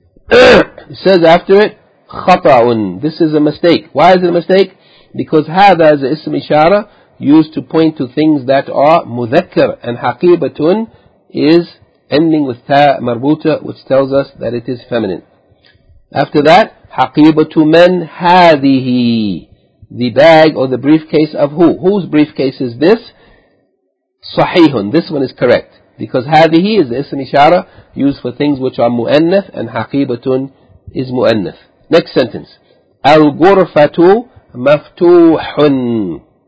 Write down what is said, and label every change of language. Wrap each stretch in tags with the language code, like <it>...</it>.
<en>It says after it, خَطَعٌ. This is a mistake. Why is it a mistake? Because هذا is an ism إشارة used to point to things that are مذكر. And حَقِيبَةٌ is ending with تَا مَرْبُوتَ, which tells us that it is feminine. After that,</en> <ar>حَقِيبَةُ مَنْ هَذِهِ.</ar> <en>The bag or the briefcase of who? Whose briefcase is this? صَحِيحٌ. This one is correct. Because هَذِهِ is the ism إشارة used for things which are مُؤَنَّث, and حَقِيبَةٌ is مُؤَنَّث. Next sentence.</en> <ar>الْغُرْفَةُ مَفْتُوحٌ.</ar>